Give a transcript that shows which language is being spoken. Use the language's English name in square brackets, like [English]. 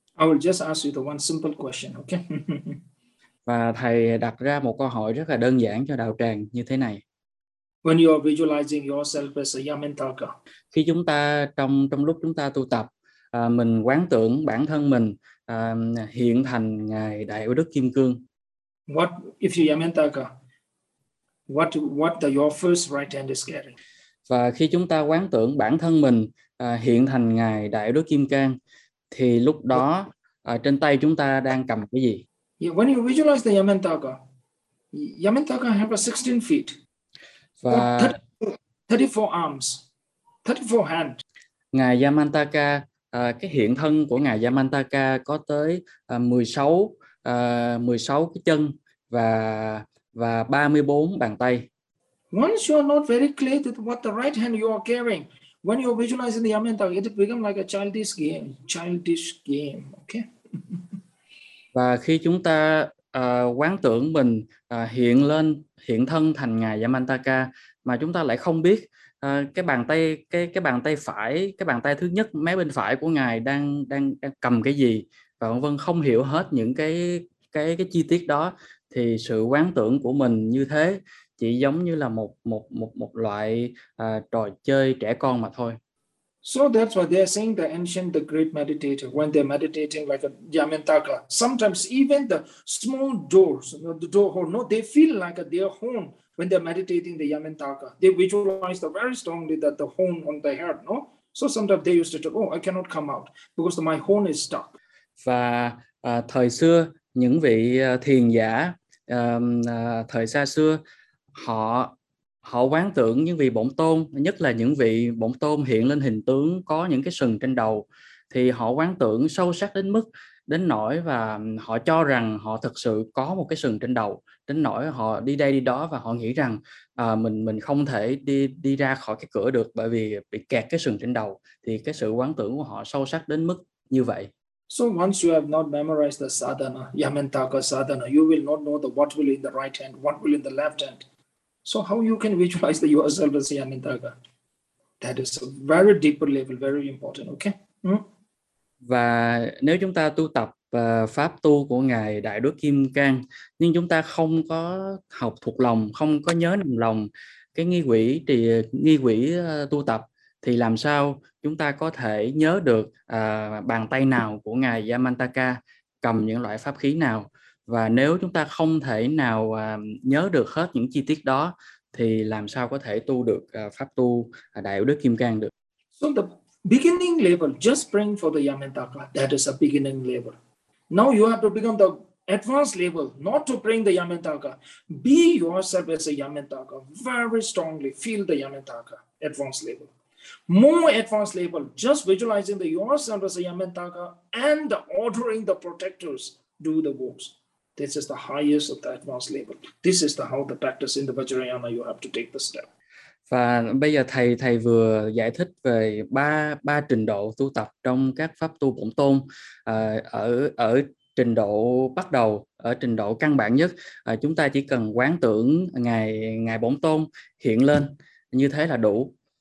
[English] I will just ask you the one simple question, okay? [Vietnamese] Và thầy đặt ra một câu hỏi rất là đơn giản cho đạo tràng như thế này. [English] When you are visualizing yourself as a Yamantaka. [Vietnamese] Khi chúng ta trong lúc chúng ta tu tập, mình quán tưởng bản thân mình hiện thành ngài Đại Đức Kim Cương. [English] What if you Yamantaka? What the your first right hand is getting? [Vietnamese] Và khi chúng ta quán tưởng bản thân mình hiện thành ngài Đại Đức Kim Cang, thì lúc đó trên tay chúng ta đang cầm cái gì? [English] Yeah, when you visualize the Yamantaka, Yamantaka have a 16 feet. [Vietnamese] Và [English] 34 arms, 34 hands. [Vietnamese] Ngài Yamantaka, cái hiện thân của ngài Yamantaka có tới 16 cái chân và 34 bàn tay. [English] Once you are not very clear to what the right hand you are carrying, when you are visualizing the Yamantaka, it becomes like a childish game, okay? [Vietnamese] Và khi chúng ta quán tưởng mình hiện thân thành ngài Yamantaka mà chúng ta lại không biết cái bàn tay thứ nhất mé bên phải của ngài đang cầm cái gì và vân vân, không hiểu hết những cái chi tiết đó, thì sự quán tưởng của mình như thế chỉ giống như là một loại trò chơi trẻ con mà thôi. [English] So that's why they are saying the ancient, the great meditator, when they're meditating like a Yamantaka, sometimes even the small doors, the door hole, no, they feel like their horn when they're meditating the Yamantaka. They visualize the very strongly that the horn on the head, no? So sometimes they used to talk, oh, I cannot come out because my horn is stuck. [Vietnamese] Và thời xưa, những vị thiền giả thời xa xưa, họ quán tưởng những vị bổn tôn, nhất là những vị bổn tôn hiện lên hình tướng có những cái sừng trên đầu, thì họ quán tưởng sâu sắc đến mức đến nỗi và họ cho rằng họ thực sự có một cái sừng trên đầu, đến nỗi họ đi đây đi đó và họ nghĩ rằng mình không thể đi ra khỏi cái cửa được bởi vì bị kẹt cái sừng trên đầu. Thì cái sự quán tưởng của họ sâu sắc đến mức như vậy. [English] So once you have not memorized the sadhana, Yamantaka sadhana, you will not know the what will in the right hand, what will in the left hand. So how you can visualize the yourself as Yamantaka? That is a very deeper level, very important, okay? [Vietnamese] Và nếu chúng ta tu tập pháp tu của ngài Đại Đức Kim Cang, nhưng chúng ta không có học thuộc lòng, không có nhớ nằm lòng cái nghi quỷ tu tập, thì làm sao chúng ta có thể nhớ được bàn tay nào của ngài Yamantaka cầm những loại pháp khí nào? Và nếu chúng ta không thể nào nhớ được hết những chi tiết đó, thì làm sao có thể tu được pháp tu Đại Đức Kim Cang được? [English] So the beginning level, just praying for the Yamantaka, that is a beginning level. Now you have to become the advanced level, not to praying the Yamantaka. Be yourself as a Yamantaka, very strongly feel the Yamantaka, advanced level. More advanced level, just visualizing the Yuasandrasa Yamantaka and ordering the protectors do the works. This is the highest of the advanced level. This is the how the practice in the Vajrayana, you have to take the step. [Vietnamese] Và bây giờ thầy vừa giải thích về ba trình độ tu tập trong các pháp tu bổn tôn, ở trình độ bắt đầu, ở trình độ căn bản nhất, chúng ta chỉ cần quán tưởng ngài bổn tôn hiện lên, như thế là đủ.